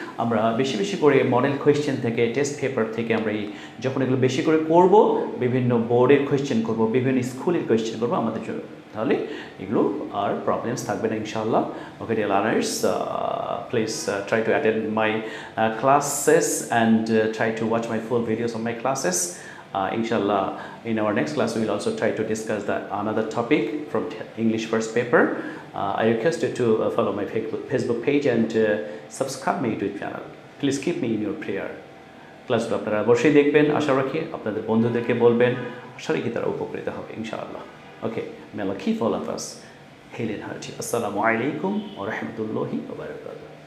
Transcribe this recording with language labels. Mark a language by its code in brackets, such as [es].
[bn] আমরা বেশি বেশি করে মডেল কোয়েশ্চেন থেকে, টেস্ট পেপার থেকে আমরা এই যখন এগুলো বেশি করে করব, বিভিন্ন বোর্ডের কোয়েশ্চেন করব, বিভিন্ন স্কুলের কোয়েশ্চেন করব আমাদের জন্য, তাহলে এগুলো আর প্রবলেমস থাকবে না ইনশাআল্লাহ। [en] Okay dear learners, please try to attend my classes and try to watch my full videos of my classes. Inshallah, in our next class, we will also try to discuss another topic from English first paper. I request you to follow my Facebook page and subscribe my YouTube channel. Please keep me in your prayer. [bn] ক্লাসগুলো আপনারা অবশ্যই দেখবেন, আশা রাখি আপনাদের বন্ধুদেরকে বলবেন, আশা রাখি তারা উপকৃত হবে ইনশাআল্লাহ। [en] Okay, may Allah keep all of us healing hearty. [ar] আসসালামু আলাইকুম ওয়া রাহমাতুল্লাহি ওয়া বারাকাতুহু।